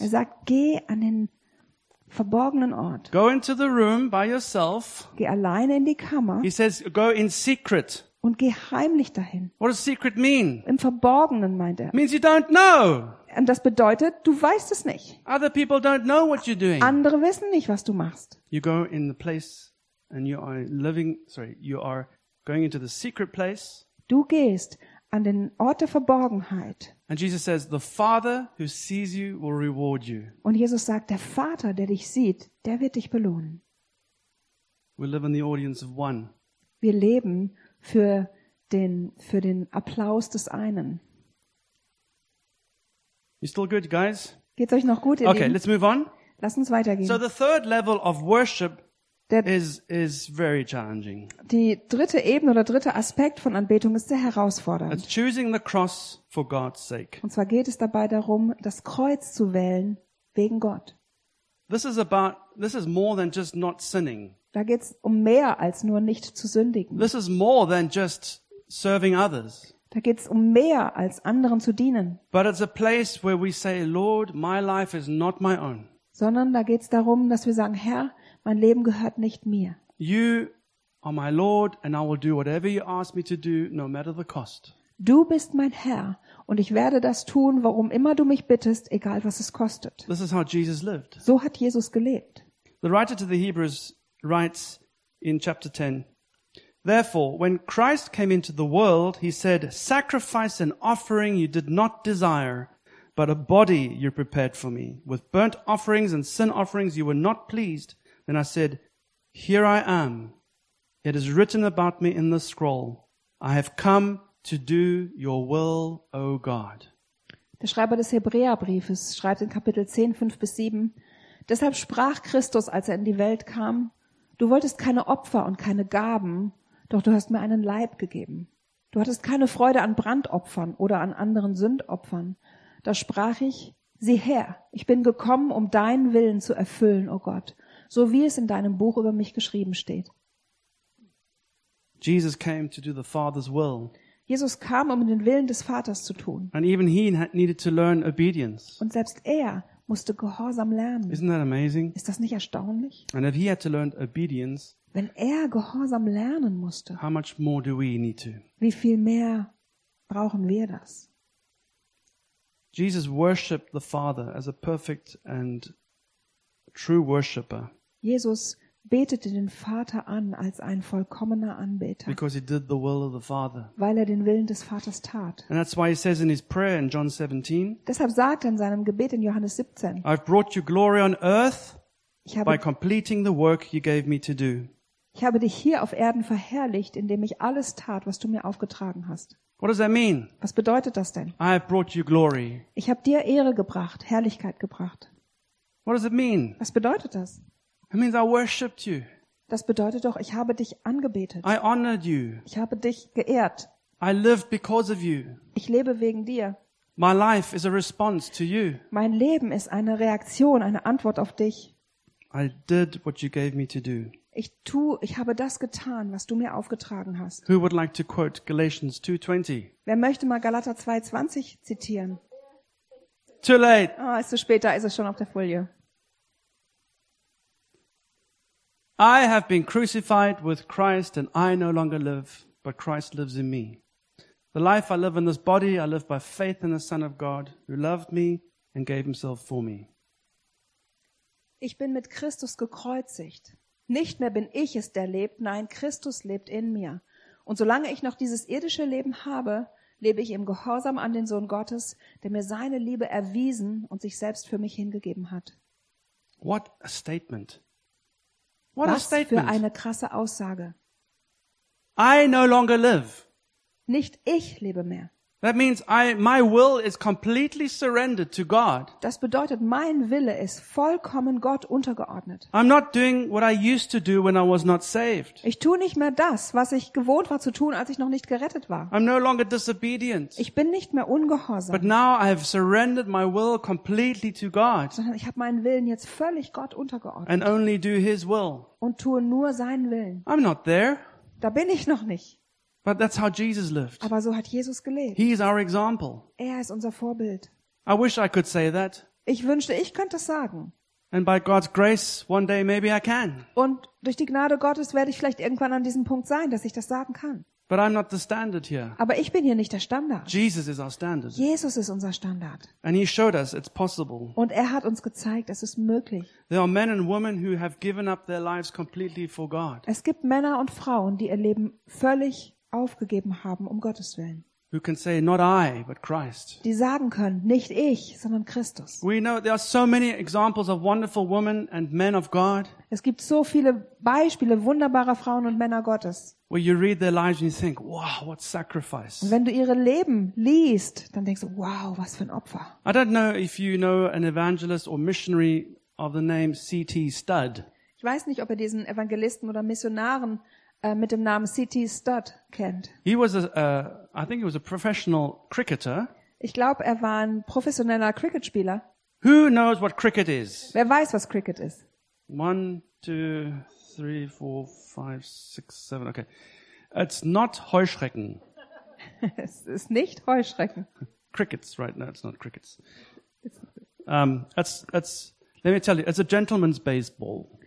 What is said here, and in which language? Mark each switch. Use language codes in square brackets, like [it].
[de] Er sagt, geh an den verborgenen Ort. [en] Go into the room by yourself. [de] Geh alleine in die Kammer. [en] He says, go in secret. [de] Und geh heimlich dahin. [en] What does secret mean? [de] Im Verborgenen, meint er. [en] Means you don't know. [de] Und das bedeutet, du weißt es nicht. [en] Other people don't know what you're doing. [de] Andere wissen nicht, was du machst. [en] You go in the place and you are living. Sorry, you are going into the secret place. [de] Du gehst an den Ort der Verborgenheit. [en] And Jesus says, the Father who sees you will reward you. [de] Und Jesus sagt, der Vater, der dich sieht, der wird dich belohnen. [en] We live in the audience of one. [de] Wir leben für den Applaus des einen. [en] You still good, guys? [de] Geht's euch noch gut, ihr okay, Lieben? [en] Let's move on. [de] Lass uns weitergehen. [en] So the third level of worship is very challenging. [de] Die dritte Ebene oder dritte Aspekt von Anbetung ist sehr herausfordernd. [en] It's choosing the cross for God's sake. [de] Und zwar geht es dabei darum, das Kreuz zu wählen wegen Gott. [en] This is more than just not sinning. [de] Da geht's um mehr als nur nicht zu sündigen. [en] This is more than just serving others. [de] Da geht's um mehr als anderen zu dienen. [en] But it's a place where we say, Lord, my life is not my own. [de] Sondern da geht's darum, dass wir sagen, Herr, mein Leben gehört nicht mir. [en] You are my Lord and I will do whatever you ask me to do, no matter the cost. [de] Du bist mein Herr und ich werde das tun, warum immer du mich bittest, egal was es kostet. [en] This is how Jesus lived. [de] So hat Jesus gelebt. [en] The writer to the Hebrews writes in chapter 10, therefore, when Christ came into the world, he said, sacrifice an offering you did not desire, but a body you prepared for me. With burnt offerings and sin offerings you were not pleased. Then I said, here I am. It is written about me in the scroll. I have come to do your will, O God. [de] Der Schreiber des Hebräerbriefes schreibt in Kapitel 10, 5-7, deshalb sprach Christus, als er in die Welt kam, du wolltest keine Opfer und keine Gaben, doch du hast mir einen Leib gegeben. Du hattest keine Freude an Brandopfern oder an anderen Sündopfern. Da sprach ich, sieh her, ich bin gekommen, um deinen Willen zu erfüllen, o Gott, so wie es in deinem Buch über mich geschrieben steht. [en] Jesus came to do the Father's will. [de] Jesus kam, um den Willen des Vaters zu tun. [en] And even he needed to learn obedience. [de] Und selbst er musste Gehorsam lernen. [en] Isn't that amazing? [de] Ist das nicht erstaunlich? [en] And if he had to learn obedience, [de] wenn er Gehorsam lernen musste, [en] how much more do we need to? [de] Wie viel mehr brauchen wir das? [en] Jesus worshipped the Father as a perfect and true worshipper. [de] Jesus betete den Vater an als ein vollkommener Anbeter. [en] Because he did the will of the Father. [de] Weil er den Willen des Vaters tat. [en] And that's why he says in his prayer in John 17. [de] Deshalb sagt er in seinem Gebet in Johannes 17. [en] I've brought you glory on earth by completing the work you gave me to do. [de] Ich habe dich hier auf Erden verherrlicht, indem ich alles tat, was du mir aufgetragen hast. [en] What does that mean? [de] Was bedeutet das denn? [en] I have brought you glory. [de] Ich habe dir Ehre gebracht, Herrlichkeit gebracht. [en] What does it mean? [de] Was bedeutet das? [en] It means I worshipped you. [de] Das bedeutet doch, ich habe dich angebetet. [en] I honored you. [de] Ich habe dich geehrt. [en] I lived because of you. [de] Ich lebe wegen dir. [en] My life is a response to you. [de] Mein Leben ist eine Reaktion, eine Antwort auf dich. [en] I did what you gave me to do. [de] Ich habe das getan, was du mir aufgetragen hast. [en] Who would like to quote Galatians 2:20? [de] Wer möchte mal Galater 2:20 zitieren? [en] Too late. [de] Oh, ist zu spät, da ist es schon auf der Folie. [en] I have been crucified with Christ and I no longer live, but Christ lives in me. The life I live in this body, I live by faith in the Son of God, who loved me and gave himself for me. [de] Ich bin mit Christus gekreuzigt. Nicht mehr bin ich es, der lebt, nein, Christus lebt in mir. Und solange ich noch dieses irdische Leben habe, lebe ich im Gehorsam an den Sohn Gottes, der mir seine Liebe erwiesen und sich selbst für mich hingegeben hat. [en] What a statement. What Was a statement. [de] Für eine krasse Aussage. [en] I no longer live. [de] Nicht ich lebe mehr. [en] That means my will is completely surrendered to God. [de] Das bedeutet, mein Wille ist vollkommen Gott untergeordnet. [en] I'm not doing what I used to do when I was not saved. [de] Ich tue nicht mehr das, was ich gewohnt war zu tun, als ich noch nicht gerettet war. [en] I'm no longer disobedient. [de] Ich bin nicht mehr ungehorsam. [en] But now I have surrendered my will completely to God. [de] Sondern ich habe meinen Willen jetzt völlig Gott untergeordnet. [en] And only do his will. [de] Und tue nur seinen Willen. [en] I'm not there. [de] Da bin ich noch nicht. [en] But that's how Jesus lived. [de] Aber so hat Jesus gelebt. [en] He is our example. [de] Er ist unser Vorbild. [en] I wish I could say that. [de] Ich wünschte, ich könnte das sagen. [en] And by God's grace, one day maybe I can. [de] Und durch die Gnade Gottes werde ich vielleicht irgendwann an diesem Punkt sein, dass ich das sagen kann. [en] But I'm not the standard here. [de] Aber ich bin hier nicht der Standard. [en] Jesus is our standard. [de] Jesus ist unser Standard. [en] And he showed us it's possible. [de] Und er hat uns gezeigt, es ist möglich. [en] There are men and women who have given up their lives completely for God. [de] Es gibt Männer und Frauen, die ihr Leben völlig aufgegeben haben um Gottes Willen. [en] Who can say, not I, but Christ. [de] Die sagen können, nicht ich, sondern Christus. [en] We know there are so many examples of wonderful women and men of God. [de] Es gibt so viele Beispiele wunderbarer Frauen und Männer Gottes. [en] Where you read their lives and you think, wow, what sacrifice. [de] Und wenn du ihre Leben liest, dann denkst du, wow, was für ein Opfer. [en] I don't know if you know an evangelist or missionary of the name C.T. Studd. [de] Ich weiß nicht, ob ihr diesen Evangelisten oder Missionaren mit dem Namen C.T. Studd kennt. [en] He was a professional cricketer. [de] Ich glaube, er war ein professioneller Cricketspieler. [en] Who knows what cricket is? [de] Wer weiß, was Cricket ist? [en] 1, 2, 3, 4, 5, 6, 7. Okay, it's not Heuschrecken. [de] Es ist nicht Heuschrecken. [en] Crickets, right? No, it's not crickets. It's let me tell you, it's a gentleman's baseball.